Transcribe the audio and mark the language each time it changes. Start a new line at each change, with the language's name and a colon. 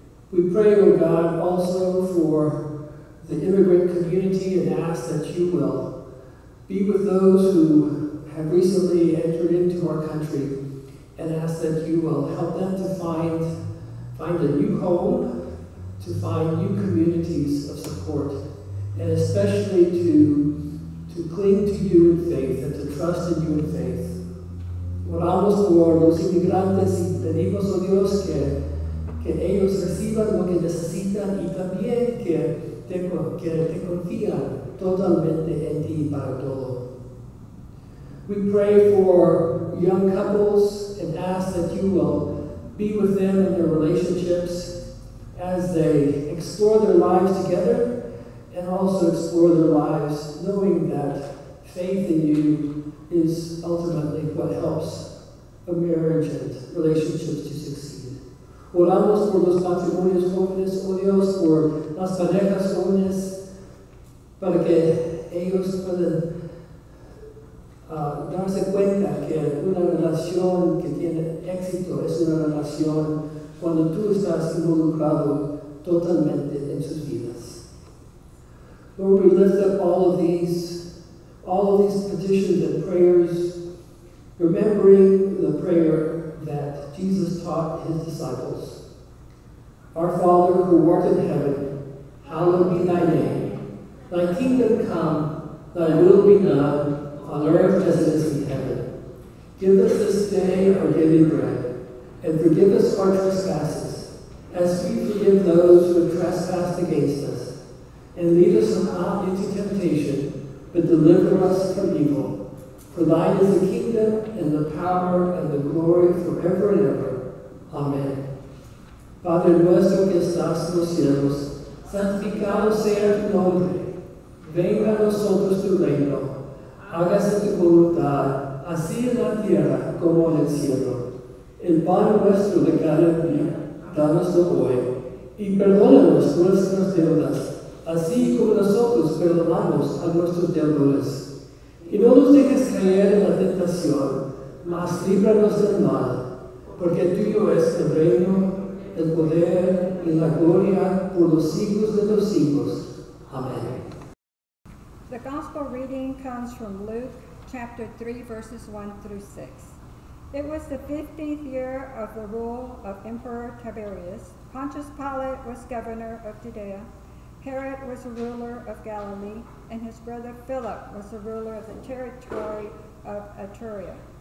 English: We pray, O God, also for the immigrant community and ask that you will be with those who have recently entered into our country and ask that you will help them to find a new home, to find new communities of support, and especially to cling to you in faith and to trust in you in faith.
Spanish: Oramos por los inmigrantes y pedimos a Dios que ellos reciban lo que necesitan y también que te confían totalmente en ti para todo.
English: We pray for young couples and ask that you will be with them in their relationships as they explore their lives together and also explore their lives knowing that faith in you is ultimately what helps a marriage and relationships to succeed.
Spanish: Oramos por los matrimonios jóvenes, oh Dios, por las parejas jóvenes, para que ellos puedan darse cuenta que una relación que tiene éxito es una relación cuando tú estás involucrado totalmente en sus vidas.
English: Lord, we lift up all of these petitions and prayers, remembering the prayer that Jesus taught his disciples. Our Father who art in heaven, hallowed be thy name. Thy kingdom come, thy will be done, on earth as it is in heaven. Give us this day our daily bread, and forgive us our trespasses, as we forgive those who have trespassed against us. And lead us not into temptation, but deliver us from evil. For thine is the kingdom, and the power, and the glory, forever and ever. Amen.
Spanish: Padre nuestro que estás en los cielos, santificado sea tu nombre. Venga a nosotros tu reino. Hágase tu voluntad, así en la tierra como en el cielo. El pan nuestro de cada día, dánoslo hoy. Y perdónanos nuestras deudas, así como nosotros perdonamos a nuestros deudores. Y no nos dejes caer en la tentación, mas líbranos del mal. Porque tuyo es el reino, el poder y la gloria por los siglos de los siglos. Amén.
English: The gospel reading comes from Luke chapter 3, verses 1 through 6. It was the 15th year of the rule of Emperor Tiberius. Pontius Pilate was governor of Judea. Herod was a ruler of Galilee, and his brother Philip was the ruler of the territory of Etruria.